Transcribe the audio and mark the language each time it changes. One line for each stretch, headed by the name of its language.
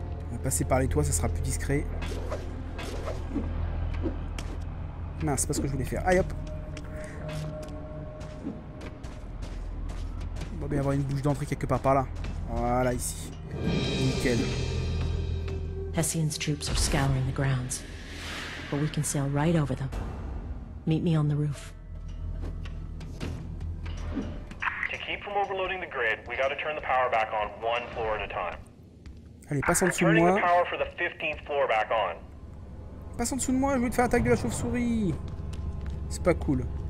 French: On va passer par les toits, ça sera plus discret. Mince, c'est pas ce que je voulais faire. Aïe hop. On va bien avoir une bouche d'entrée quelque part par là. Voilà, ici. Nickel.
English: Hessian's troops are scouring the grounds, but we can sail right over them. Meet me on the roof. To keep from overloading the grid, we gotta turn the power back on one floor at a time.
French: Allez, passe en dessous de moi.
English: Turning the power for the 15th floor back on.
French: Passe en dessous de moi, je vais te faire attaque de la chauve-souris. C'est pas cool.